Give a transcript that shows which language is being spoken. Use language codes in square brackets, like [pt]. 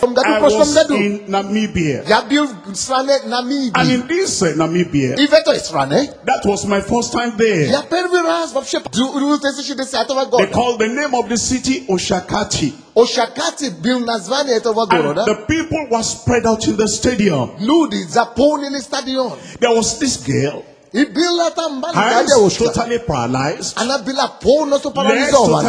[en] I was in Namibia. [ru] Я был в стране Намибии. [en] And in this Namibia. [ru] И в этой стране. [en] That was my first time there. [ru] Я первый раз вообще. [en] They call the name of the city Oshakati. [ru] Ошакати был название этого города. [en] The people were spread out in the stadium. [ru] Люди заполнили стадион. [en] There was this girl. [ru] И была там девушка. [en] Totally paralyzed. [ru] Она была полностью парализована.